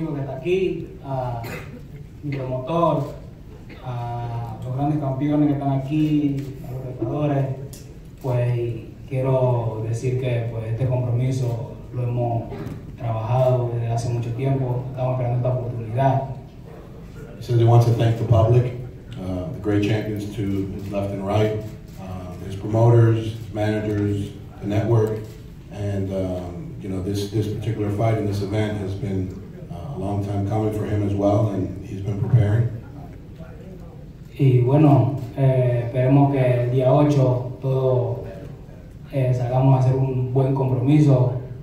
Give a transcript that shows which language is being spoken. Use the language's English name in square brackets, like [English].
[Spanish] Aquí a mi promotor, a los grandes campeones que están aquí, a los retadores, pues quiero decir que pues, este compromiso lo hemos trabajado desde hace mucho tiempo, estamos creando esta oportunidad. [English] He said he wants to thank the public, the great champions to his left and right, his promoters, his managers, the network, and you know, this particular fight and this event has been a long time coming for him as well, and he's been preparing. [Spanish] Y bueno, esperemos que el día 8 todo salgamos a hacer un buen compromiso.